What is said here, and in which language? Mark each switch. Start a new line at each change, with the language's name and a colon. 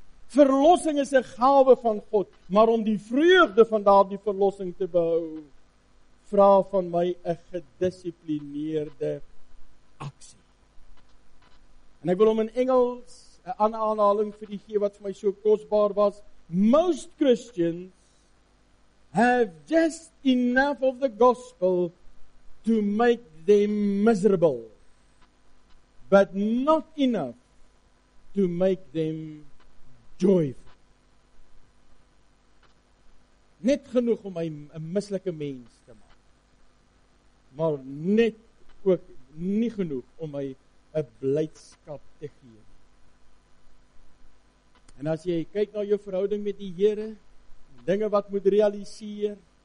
Afrikaans: Verlossing is 'n gawe van God, maar om die vreugde van daardie verlossing te behou, vra van my 'n gedissiplineerde aksie. En ek wil hom in Engels 'n aanhaling vir die gee wat vir my so kosbaar was.
English: Most Christians have just enough of the gospel to make them miserable, but not enough to make them joyful.
Afrikaans: Net genoeg om my 'n mislike mens te maak, maar net ook nie genoeg om my 'n blydskap te gee. En as jy kyk na jou verhouding met die Here, dinge wat moet realiseer,